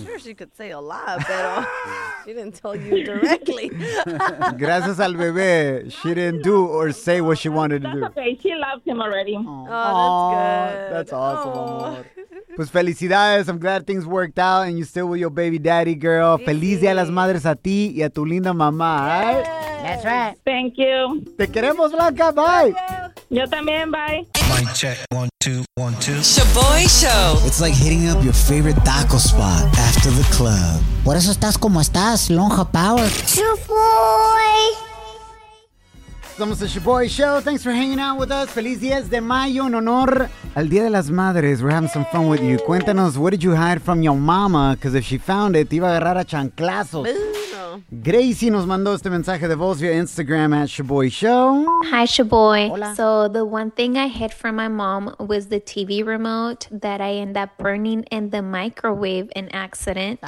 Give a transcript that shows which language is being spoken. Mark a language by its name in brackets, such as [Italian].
[English] I'm sure she could say a lot, pero she didn't tell you directly. [Spanish] Gracias al bebé, [English] she didn't do or say what she wanted to do. That's okay. She loves him already. Oh, that's good. That's awesome, amor. [Spanish] Pues felicidades. [English] I'm glad things worked out and you're still with your baby daddy, girl. [Spanish] Sí. Feliz día a las madres a ti y a tu linda mamá. [English] Yes. That's right. Thank you. [Spanish] Te queremos, Blanca. Bye. Yo también. Bye. [English] Mic check. 1, 2, 1, 2. Shaboy Show. It's like hitting up your favorite taco spot after the club. [Spanish] Por eso estás como estás, Lonja Power. [English] Shaboy. Somos the Shaboy Show. Thanks for hanging out with us. [Spanish] Feliz 10 de mayo en honor al Día de las Madres. [English] We're having some fun with you. [Spanish] Cuéntanos, [English] what did you hide from your mama? Because if she found it, [Spanish] te iba a agarrar a chanclazos. Gracie nos mandó este mensaje de voz via Instagram at Shaboy Show. [English] Hi, Shaboy. [Spanish] Hola. [English] So the one thing I hid from my mom was the TV remote that I end up burning in the microwave in accident.